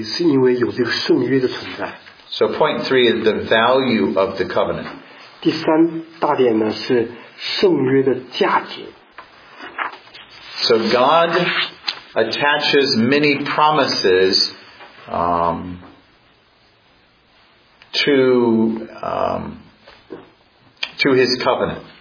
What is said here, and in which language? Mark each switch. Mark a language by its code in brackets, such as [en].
[zh] 受到很大的鼓励，是因为有这个圣约的存在。 [en] So point three is the value of the covenant. [zh] 第三大点呢是圣约的价值。 [en] So God attaches many promises to His covenant.